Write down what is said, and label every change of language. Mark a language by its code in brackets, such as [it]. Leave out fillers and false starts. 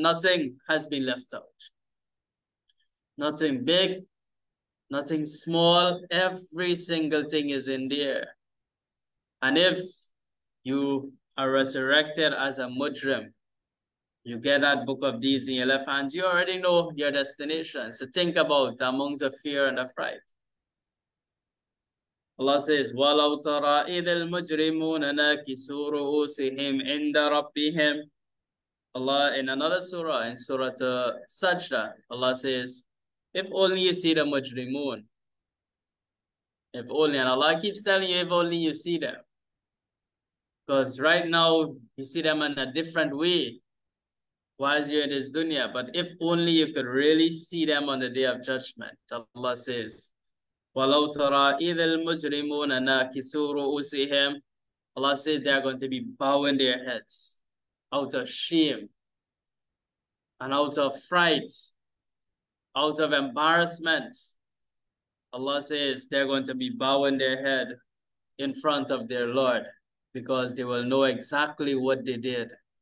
[en] Nothing has been left out. Nothing big, nothing small, every single thing is in there. And if you are resurrected as a mujrim, you get that book of deeds in your left hand, you already know your destination. So think about among the fear and the fright. Allah says, [ar] وَلَوْ تَرَىٰ إِذِ الْمُجْرِمُونَ نَاكِسُوا رُءُوسِهِمْ عِنْدَ رَبِّهِمْ. [en] Allah, in another surah, in Surah Sajda, Allah says, if only you see the mujrimun. If only, and Allah keeps telling you, if only you see them. Because right now, you see them in a different way while you're in this dunya. But if only you could really see them on the day of judgment. Allah says, [ar] وَلَوْ تَرَىٰ إِذِ الْمُجْرِمُونَ نَاكِسُوا رُءُوسِهِمْ. [en] Allah says they are going to be bowing their heads out of shame and out of fright, out of embarrassment. Allah says they're going to be bowing their head in front of their Lord, because they will know exactly what they did.